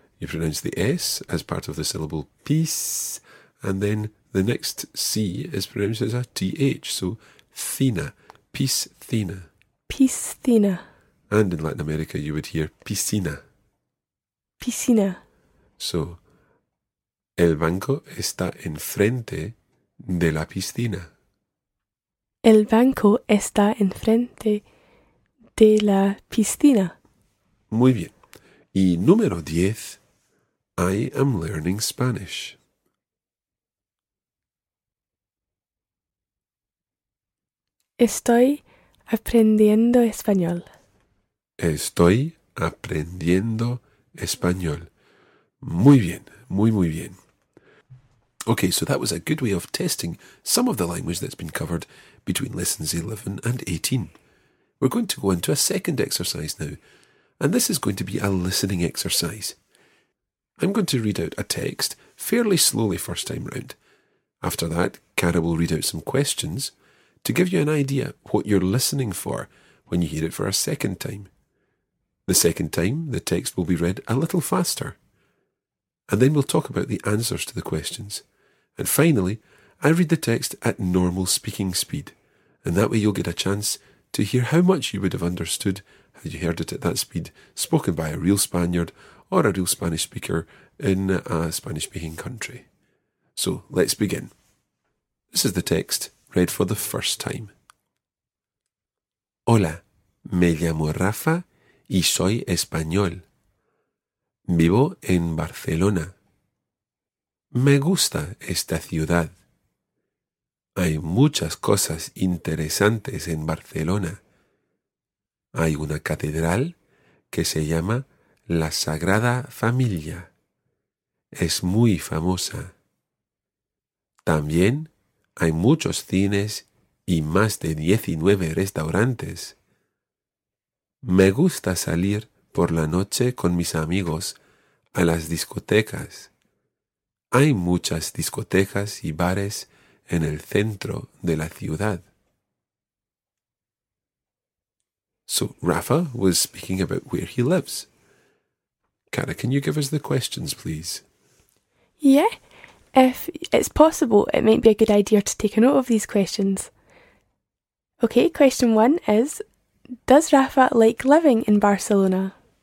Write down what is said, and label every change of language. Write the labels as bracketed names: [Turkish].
[English] You pronounce the S as part of the syllable pis, and then the next C is pronounced as a TH, so thina, piscina. [Spanish] Piscina. [English] And in Latin America you would hear piscina. [Spanish] Piscina. So, el banco está enfrente de la piscina. El banco está enfrente de la piscina. Muy bien. Y número 10. [English] I am learning Spanish. [Spanish] Estoy aprendiendo español. Estoy aprendiendo español. Muy bien, muy, muy bien. [English] Okay, so that was a good way of testing some of the language that's been covered between lessons 11 and 18. We're going to go into a second exercise now, and this is going to be a listening exercise. I'm going to read out a text fairly slowly first time round. After that, Cara will read out some questions to give you an idea what you're listening for when you hear it for a second time. The second time, the text will be read a little faster. And then we'll talk about the answers to the questions. And finally, I read the text at normal speaking speed. And that way you'll get a chance to hear how much you would have understood had you heard it at that speed, spoken by a real Spaniard or a real Spanish speaker in a Spanish-speaking country. So, let's begin. This is the text read for the first time. [Spanish] Hola, me llamo Rafa y soy español. Vivo en Barcelona. Me gusta esta ciudad. Hay muchas cosas interesantes en Barcelona. Hay una catedral que se llama la Sagrada Familia. Es muy famosa. También hay muchos cines y más de 19 restaurantes. Me gusta salir por la noche con mis amigos a las discotecas. Hay muchas discotecas y bares en el centro de la ciudad. [English] So, Rafa was speaking about where he lives. Cara, can you give us the questions, please? Yeah, if it's possible, it might be a good idea to take a note of these questions. Okay, question one is, does Rafa like living in Barcelona?